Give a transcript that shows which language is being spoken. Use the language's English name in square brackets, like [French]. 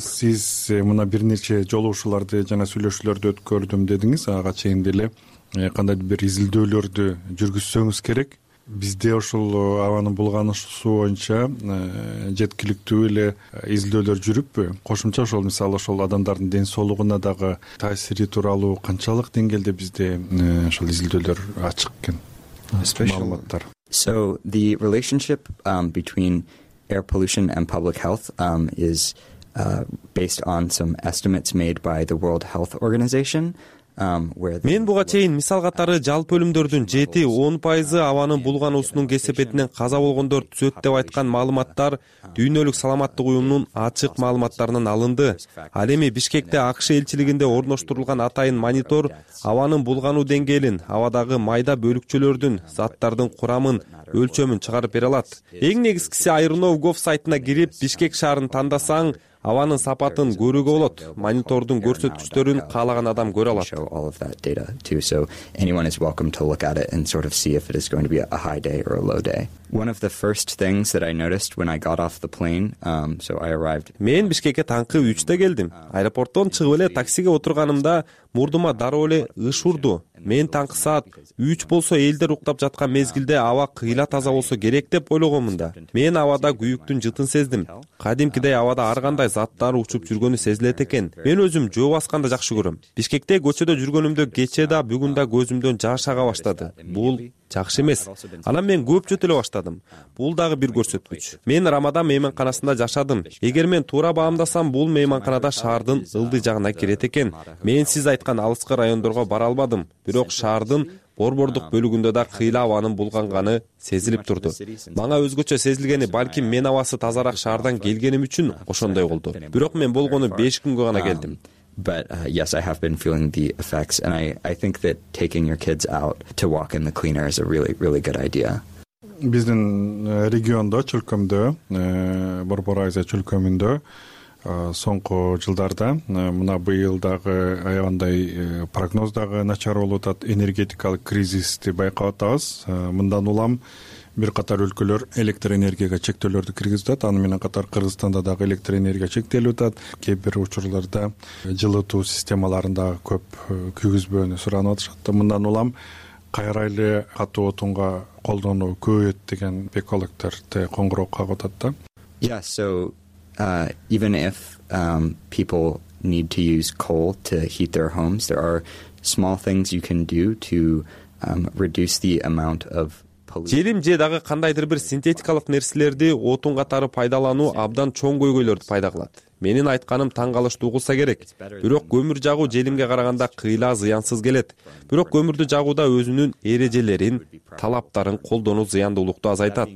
[Kyrgyz] Сиз мына бир нече жолугушууларды жана сүйлөшүүлөрдү өткөрдүм дедиңиз, ага чейин деле кандайдыр бир изилдөөлөрдү жүргүзсөңүз керек. Бизде ошол абанын булганышы боюнча жеткиликтүү эле изилдөөлөр жүрүппү? Кошумча ошол мисалы ошол адамдардын ден соолугуна дагы таасири тууралуу канчалык деңгээлде бизде ошол изилдөөлөр ачык экен? Маалыматтар. [English] So the relationship between air pollution and public health is based on some estimates made by the World Health Organization. [Kyrgyz] Мен буга чейин мисал катары жалпы өлүмдөрдүн 7-10% абанын булгануусунун кесепетинен каза болгондор түзөт деп айткан маалыматтар дүйнөлүк саламаттык уюмунун ачык маалыматтарынан алынды. Ал эми Бишкекте АКШ элчилигинде орноштурулган атайын монитор абанын булгануу деңгээлин, абадагы майда бөлүкчөлөрдүн, заттардын курамын, өлчөмүн чыгарып бере алат. Эң негизгиси Айрноу Гов сайтына кирип, Бишкек шаарын тандасаң, абанын сапатын көрүүгө болот. Монитордун көрсөткүчтөрүн каалаган адам көрө алат. [English] So anyone is welcome to look at it and sort of see if it is going to be a high day or a low day. One of the first things that I noticed when I got off the plane, so I arrived. [Kyrgyz] Мен Бишкекке таңкы 3:00 келдим. Аэропорттон чыгып эле таксиге отурганымда мурдума дароо эле ыш урду. Мен таңкы саат 3 болсо элдер уктап жаткан мезгилде аба кыйла таза болсо керек деп ойлогомун да. Мен абада күйүктүн жытын сездим. Кадимкидей абада ар кандай заттар учуп жүргөнү сезилет экен. Мен өзүм жөө басканды жакшы көрөм. Бишкекте көчөдө жүргөнүмдө кече да бүгүн да көзүмдөн жаш ага баштады. Бул жакшы эмес. Анан мен көп жөтөлө баштадым. Бул дагы бир көрсөткүч. Мен Рамадан мейманканасында жашадым. Эгер мен туура баамдасам, бул мейманканада шаардын ылдый жагына кирет экен. Мен сиз айткан алыскы райондорго бара албадым. Бирок шаардын борбордук бөлүгүндө да кыйла абанын булганганы сезилип турду. Мага өзгөчө сезилгени балким мен абасы тазараак шаардан келгеним үчүн ошондой болду. Бирок мен болгону 5 күнгө гана келдим. [English] But yes, I have been feeling the effects, and I think that taking your kids out to walk in the clean air is a really, really good idea. [Kyrgyz] Биздин региондо, чөлкөмдө, Борбор Азия чөлкөмүндө соңку жылдарда мына быйыл дагы аябандай прогноз дагы начар болуп атат, энергетикалык кризисти байкап атабыз. Мындан улам бир катар өлкөлөр электр энергияга чектөөлөрдү киргизип атат. Аны менен катар Кыргызстанда дагы электр энергия чектелип атат. Кээ бир учурларда жылытуу системаларында көп күйгүзбөөнү суранып атышат. Мындан улам кайра эле катуу отунга колдонуу көбөйөт деген экологдорду коңгуроо кагып атат да. [English] Yeah, so even if people need to use coal to heat their homes, there are small things you can do to reduce the amount of [Kyrgyz] желим же дагы кандайдыр бир синтетикалык нерселерди отун катары пайдалануу абдан чоң көйгөйлөрдү пайда кылат. Менин айтканым таң калыштуу кылса керек. Бирок көмүр жагуу желимге караганда кыйла зыянсыз келет. Бирок көмүрдү жагууда өзүнүн эрежелерин, талаптарын колдонуу зыяндуулукту азайтат.